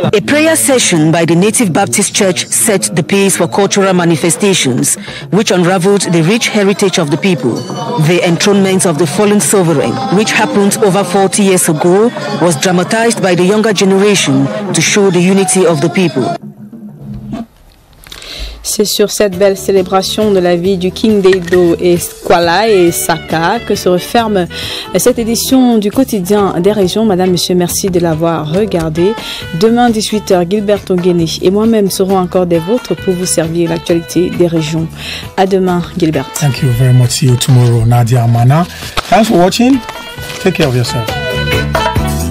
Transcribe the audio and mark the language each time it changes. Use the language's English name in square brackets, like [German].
[English] A prayer session by the Native Baptist Church set the pace for cultural manifestations, which unraveled the rich heritage of the people. The enthronement of the fallen sovereign, which happened over 40 years ago, was dramatized by the younger generation to show the unity of the people. [French] C'est sur cette belle célébration de la vie du King Daido et Kwala et Saka que se referme cette édition du quotidien des régions. Madame, Monsieur, merci de l'avoir regardé. Demain, 18h, Gilbert Ongene et moi-même serons encore des vôtres pour vous servir l'actualité des régions. À demain, Gilbert. [English] Thank you very much. See you tomorrow, Nadia Amana. Thanks for watching. Take care of yourself.